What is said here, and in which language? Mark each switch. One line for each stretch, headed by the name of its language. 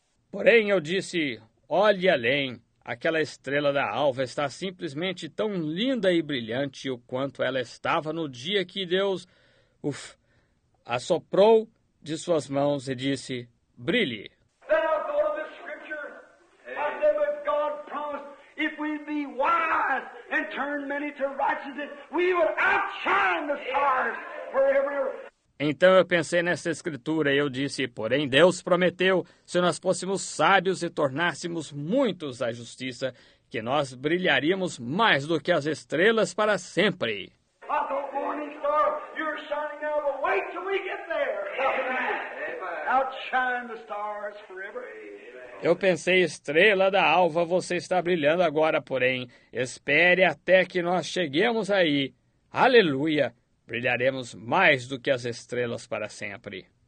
Portuguese: Porém, eu disse, olhe além, aquela estrela da alva está simplesmente tão linda e brilhante o quanto ela estava no dia que Deus... Uf, assoprou de suas mãos e disse, brilhe.
English: Then I thought of the scripture. Hey. I said, but God promised, if we be wise and turn many to righteousness, we will outshine the stars forever.
Portuguese: Então eu pensei nessa escritura e eu disse, porém Deus prometeu, se nós fôssemos sábios e tornássemos muitos a justiça, que nós brilharíamos mais do que as estrelas para sempre.
English: I thought, morning star, you're shining out, but wait till we get there. Outshine the stars forever.
Portuguese: Eu pensei, estrela da alva, você está brilhando agora, porém, espere até que nós cheguemos aí. Aleluia! Brilharemos mais do que as estrelas para sempre.